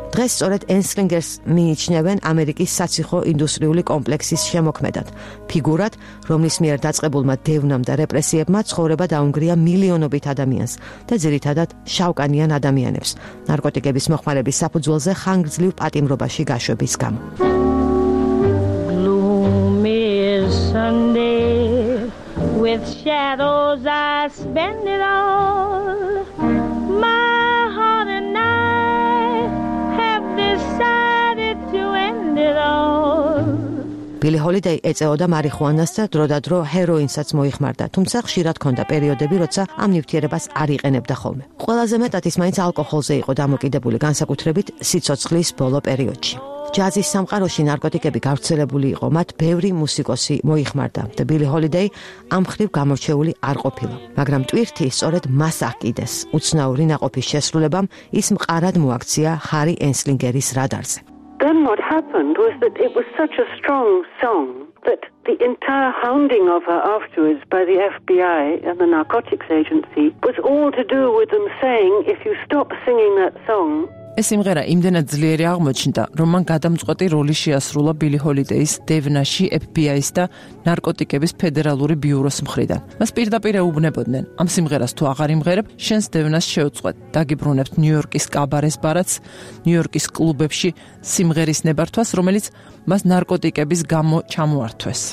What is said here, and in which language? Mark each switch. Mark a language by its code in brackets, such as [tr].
[ka] დღეს სწორედ ენსლინგერს მიიჩნევენ ამერიკის საციხო ინდუსტრიული კომპლექსის შემოქმედად, ფიგურად, რომლის მიერ დაწყებულმა დევნამ და რეპრესიებმა ცხოვრება დაუნგრია მილიონობით ადამიანს და ძირითადად შავკანიან ადამიანებს. ნარკოტიკების მოხმარების საფუძველზე ხანგრძლივ პატიმრობაში გაშვების გამო. [en] Gloomy Sunday with shadows I spend it all. My heart and I have decided to end it all. [ka] ბილი ჰოლიდეი ეწეოდა მარიხუანას და დროდადრო ჰეროინსაც მოიხმარდა, თუმცა ხშირად ჰქონდა პერიოდები, როცა ამ ნივთიერებას არ იყენებდა ხოლმე. ყველაზე მეტად ის მაინც ალკოჰოლზე იყო დამოკიდებული, განსაკუთრებით სიცოცხლის ბოლო პერიოდში. ჯაზის სამყაროში ნარკოტიკები გავრცელებული იყო, მათ ბევრი მუსიკოსი მოიხმარდა და ბილი ჰოლიდეი ამ ხრივ გამორჩეული არ ყოფილა. მაგრამ ტვირთი სწორედ მას აკიდეს. უცნაური ნაყოფის შესრულებამ ის მყარად მოაქცია ჰარი ენსლინგერის რადარზე. [en] Then what happened was that it was such a strong song that the entire hounding of her afterwards by the FBI and the narcotics agency was all to do with them saying, if you stop singing that song, [ka] ეს სიმღერა იმდენად ძლიერი აღმოჩნდა, რომ მან გადამწყვეტი როლი შეასრულა ბილი ჰოლიდეის დევნაში FBI-ს და ნარკოტიკების ფედერალური ბიუროს მხრიდან. მას პირდაპირ ეუბნებოდნენ: ამ სიმღერას თუ აღარ იმღერებ, შენს დევნას შეუწყვეტ. დაგიბრუნებთ ნიუ-იორკის კაბარეს ბარათს, ნიუ-იორკის კლუბებში სიმღერის ნებართვას, რომელიც მას ნარკოტიკების გამო ჩამოართვეს.